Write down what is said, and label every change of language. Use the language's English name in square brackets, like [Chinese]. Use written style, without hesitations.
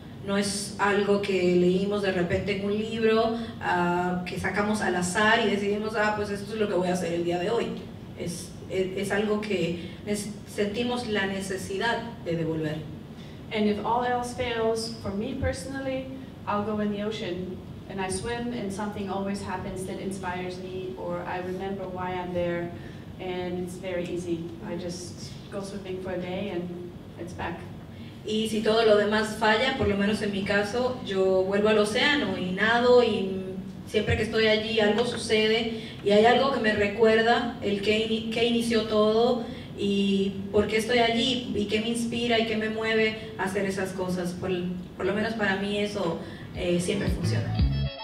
[Spanish] No es algo que leímos de repente en un libro, que sacamos al azar y decidimos, ah, pues esto es lo que voy a hacer el día de hoy. Es algo que sentimos la necesidad de devolver. [English] And if all else fails, for me personally, I'll go in the ocean and I swim and something always happens that inspires me or I remember why I'm there and it's very easy. I just go swimming for a day and it's back. [Spanish] Y si todo lo demás falla, por lo menos en mi caso, yo vuelvo al océano y nado y siempre que estoy allí algo sucede y hay algo que me recuerda el que inició todo y por qué estoy allí y qué me inspira y qué me mueve a hacer esas cosas. Por lo menos para mí eso siempre funciona.